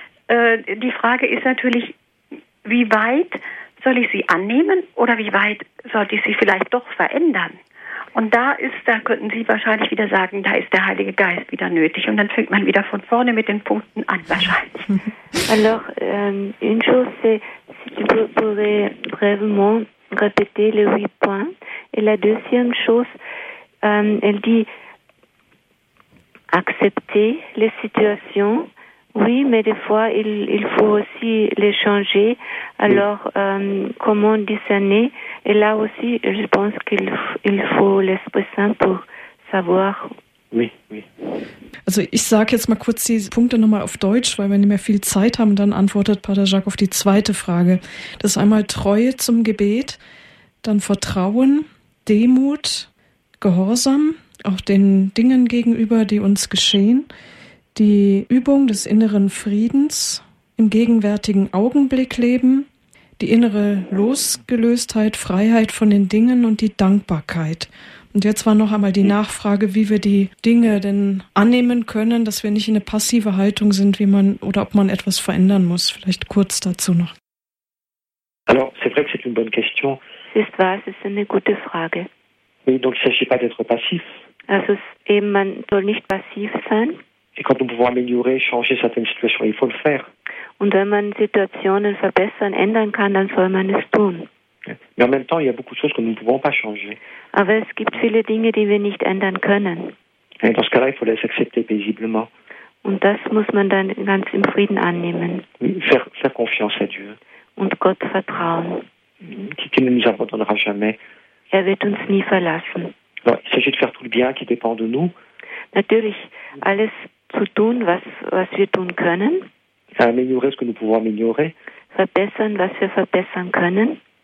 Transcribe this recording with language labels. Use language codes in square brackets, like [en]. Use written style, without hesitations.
[de] Die Frage ist natürlich, wie weit soll ich sie annehmen oder wie weit sollte ich sie vielleicht doch verändern? Und da könnten Sie wahrscheinlich wieder sagen, da ist der Heilige Geist wieder nötig. Und dann fängt man wieder von vorne mit den Punkten an, wahrscheinlich. [fr] Alors, une chose, c'est si tu pourrais brièvement répéter les huit points. Et la deuxième chose, elle dit accepter les situations. Oui, mais des fois, il faut aussi les changer. Alors, comment discerner? Et là aussi, je pense qu'il faut l'Esprit Saint pour savoir. Oui, oui. [de] Also ich sage jetzt mal kurz die Punkte nochmal auf Deutsch, weil wir nicht mehr viel Zeit haben. Dann antwortet Pater Jacques auf die zweite Frage. Das ist einmal Treue zum Gebet, dann Vertrauen, Demut, Gehorsam, auch den Dingen gegenüber, die uns geschehen. Die Übung des inneren Friedens, im gegenwärtigen Augenblick leben, die innere Losgelöstheit, Freiheit von den Dingen und die Dankbarkeit. Und jetzt war noch einmal die Nachfrage, wie wir die Dinge denn annehmen können, dass wir nicht in eine passive Haltung sind, wie man oder ob man etwas verändern muss. Vielleicht kurz dazu noch. [fr] Alors, c'est vrai que c'est une bonne question. [de] Ist wahr, es ist eine gute Frage. [fr] Oui, donc il ne s'agit pas d'être passif. [de] Also, eben, man soll nicht passiv sein. [fr] Et quand nous pouvons améliorer, changer certaines situations, il faut le faire. [de] Und wenn man Situationen verbessern, ändern kann, dann soll man es tun. [fr] Mais en même temps, il y a beaucoup de choses que nous ne pouvons pas changer. [de] Aber es gibt viele Dinge, die wir nicht ändern können. [fr] Et dans ce cas-là, il faut les accepter paisiblement. [de] Und das muss man dann ganz im Frieden annehmen. [fr] Faire confiance à Dieu. [de] Und Gott vertrauen. [fr] Qui ne nous abandonnera jamais. [de] Er wird uns nie verlassen. [fr] Alors, il s'agit de faire tout le bien qui dépend de nous. [de] Natürlich, alles zu tun, was wir tun können. [fr] Améliorer ce que nous pouvons améliorer. [de] Verbessern, was wir verbessern können.